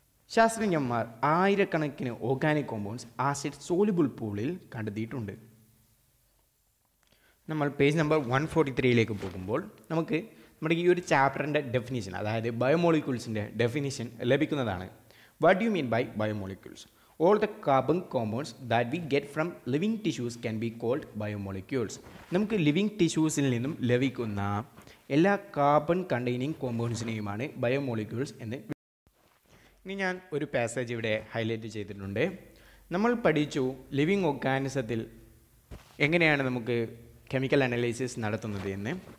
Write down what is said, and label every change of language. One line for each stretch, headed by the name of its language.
Malayalam: ശാസ്ത്രജ്ഞന്മാർ ആയിരക്കണക്കിന് organic compounds acid soluble പൂളിൽ കണ്ടെത്തിയിട്ടുണ്ട്. നമ്മൾ പേജ് നമ്പർ 143 പോകുമ്പോൾ നമുക്ക് നമ്മുടെ ഈ ഒരു ചാപ്റ്ററിൻ്റെ ഡെഫിനിഷൻ അതായത് ബയോമോളിക്യൂൾസിൻ്റെ ഡെഫിനിഷൻ ലഭിക്കുന്നതാണ്.
English: What you mean by biomolecules? All the carbon compounds that we get from living tissues can be called biomolecules.
Malayalam: നമുക്ക് ലിവിങ് ടിഷ്യൂസിൽ നിന്നും ലഭിക്കുന്ന എല്ലാ കാർബൺ കണ്ടെയ്നിങ് കോമ്പൗണ്ട്സിനെയുമാണ് ബയോമോളിക്യൂൾസ് എന്ന് ഇനി ഞാൻ ഒരു പാസേജ് ഇവിടെ ഹൈലൈറ്റ് ചെയ്തിട്ടുണ്ട്. നമ്മൾ പഠിച്ചു ലിവിങ് ഓർഗാനിസത്തിൽ എങ്ങനെയാണ് നമുക്ക് കെമിക്കൽ അനലൈസിസ് നടത്തുന്നത് എന്ന്.